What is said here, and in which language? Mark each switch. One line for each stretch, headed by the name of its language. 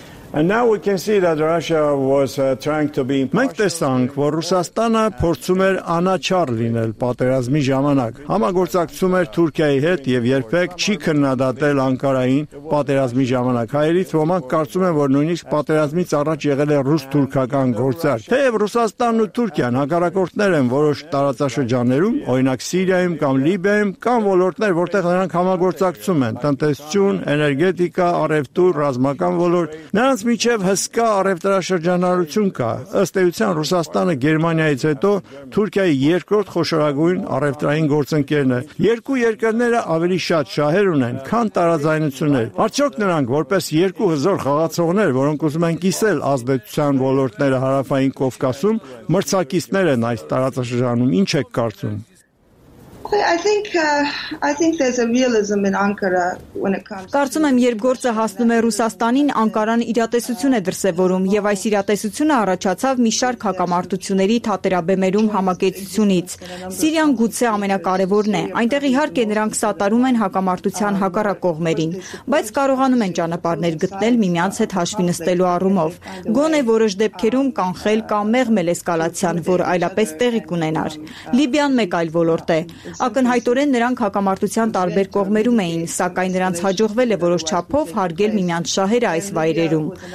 English: And now we can see that Russia was trying to be impartial.
Armenian: Մենք տեսանք, որ Ռուսաստանը փորձում էր անաչառ լինել պատերազմի ժամանակ, համագործակցում էր Թուրքիայի հետ եւ երբեք չի քննադատել Անկարային պատերազմի ժամանակ։ Հայերից ոմանք կարծում են, որ նույնիսկ պատերազմից առաջ եղել է ռուս-թուրքական գործարք։ Թեև Ռուսաստանն ու Թուրքիան հակառակորդներ են որոշ տարածաշրջաններում, օրինակ Սիրիայում կամ Լիբիայում, կամ ոլորտներ, որտեղ նրանք համագործակցում են՝ տնտեսություն, էներգետիկա, առևտուր, ռազմական ոլորտ։ Նրանց միջև հսկա առևտրաշրջանառություն կա։ Ըստ էության, Ռուսաստանը Գերմանիայից հետո Թուրքիայի երկրորդ խոշորագույն առևտրային գործընկերն է։ Երկու երկրները ավելի շատ շահեր ունեն, քան տարաձայնություններ։ Արդյոք նրանք, որպես երկու հզոր խաղացողներ, որոնք ուզում են կիսել ազդեցության ոլորտները Հարավային Կովկասում, մրցակիցներ են այս տարածաշրջանում, ինչ եք կարծում։
English: I think there's a realism in Ankara when it comes.
Armenian: Կարծում եմ, երբ գործը հասնում է Ռուսաստանին, Անկարան իրատեսություն է դրսևորում, եւ այս իրատեսությունը առաջացավ մի շարք հակամարտությունների թատերաբեմերում համագեցությունից։ Սիրիան գուցե ամենակարևորն է, այնտեղ իհարկե նրանք սատարում են հակամարտության հակառակ կողմերին, բայց կարողանում են ճանապարհներ գտնել միմյանց հետ հաշվի նստելու առումով։ Գոնե որոշ դեպքերում կանխել կամ մեղմել էսկալացիան, որ այլապես տեղի կունենար։ Լիբիան մեկ այլ ոլորտ է։ Ակնհայտորեն նրանք հակամարտության տարբեր կողմերում էին, սակայն նրանց հաջողվել է որոշ չափով հարգել միմյանց շահերը այս վայրերում։